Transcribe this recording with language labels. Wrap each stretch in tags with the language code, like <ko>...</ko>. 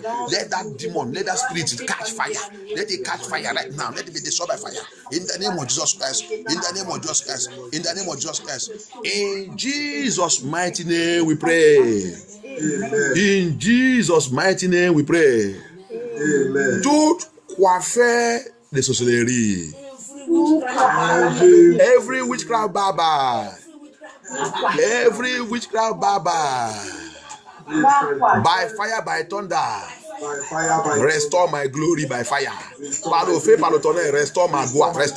<en>Let that demon, let that spirit catch fire. Let it catch fire right now. Let it be destroyed by fire. In the name of Jesus Christ. In the name of Jesus Christ. In the name of Jesus Christ. In Jesus' mighty name we pray. Amen. In Jesus' mighty name we pray. Amen.</en> <fr>Tout coiffeur de sorcellerie.</fr> <en>Every witchcraft baba. Every witchcraft baba, by fire, by thunder, restore my glory by fire.</en> <fr>Par le feu, par le tonnerre, restore ma gloire.</fr>